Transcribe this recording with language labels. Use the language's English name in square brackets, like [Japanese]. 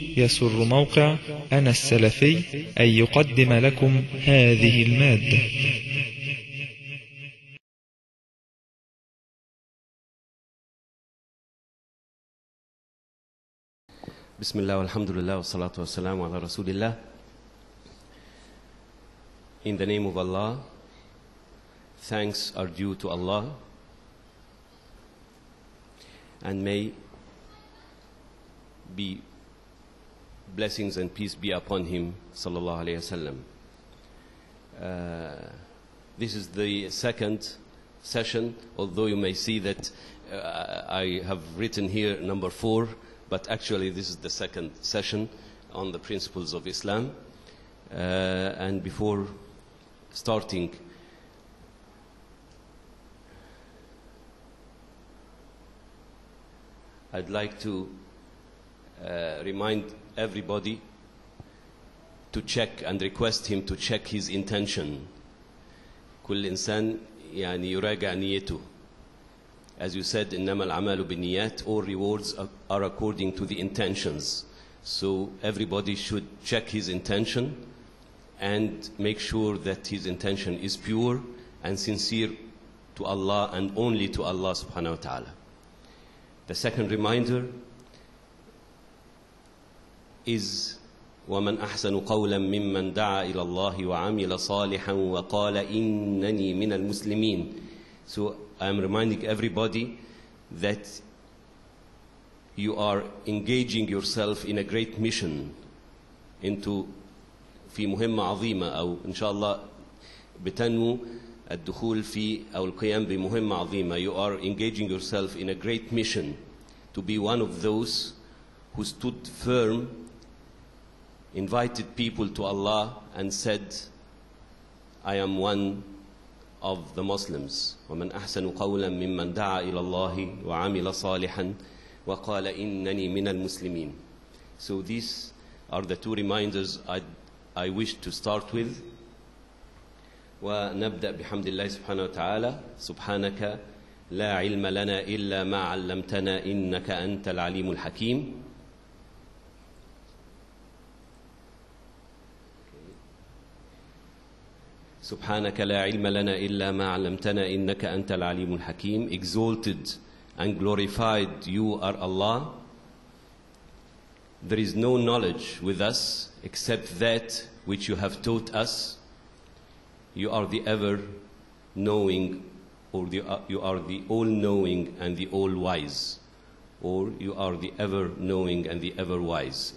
[Arabic] يسر موقع أنا السلفي أن يقدم لكم هذه المادة. بسم الله والحمد لله والصلاة والسلام على رسول الله. [English] In the name of Allah, thanks are due to Allah. And may be blessings and peace be upon him, [Arabic] sallallahu alayhi wa sallam. [English] This is the second session, although you may see that I have written here number four, but actually this is the second session on the principles of Islam. And before starting, I'd like to remind everybody to check and request him to check his intention. [Arabic] كل إنسان يعني يراجع نيته. [English] As you said, [Arabic] إنما العمل بالنيات. [English] All rewards are according to the intentions. So everybody should check his intention and make sure that his intention is pure and sincere to Allah and only to Allah [Arabic] subhanahu wa ta'ala. [English] The second reminder is [Arabic] وَمَنْ أَحْسَنُ قَوْلًا مِمَّنْ دَعَى إِلَى اللَّهِ وَعَمِلَ صَالِحًا وَقَالَ إِنَّنِي مِنَ الْمُسْلِمِينَ. [English] So I'm reminding everybody that you are engaging yourself in a great mission into [Arabic] في مهمة عظيمة أو إن شاء الله بتنمو الدخول في أو القيام بمهمة عظيمة. [English] You are engaging yourself in a great mission to be one of those who stood firm, invited people to Allah and said, I am one of the Muslims. [Arabic] وَمَنْ أَحْسَنُ قَوْلًا مِمَّنْ دَعَى إِلَى اللَّهِ وَعَمِلَ صَالِحًا وَقَالَ إِنَّنِي مِنَ الْمُسْلِمِينَ. [English] So these are the two reminders I wish to start with. [Arabic] ونبدأ بحمد الله سبحانه وتعالى. سبحانك لا علم لنا إلا ما علمتنا إنك أنت العليم الحكيم. سبحانك لا علم لنا إلا ما علمتنا إنك أنت العليم الحكيم. [English] Exalted and glorified you are Allah. There is no knowledge with us except that which you have taught us. You are the ever-knowing, or you are the all-knowing and the all-wise, or you are the ever-knowing and the ever-wise.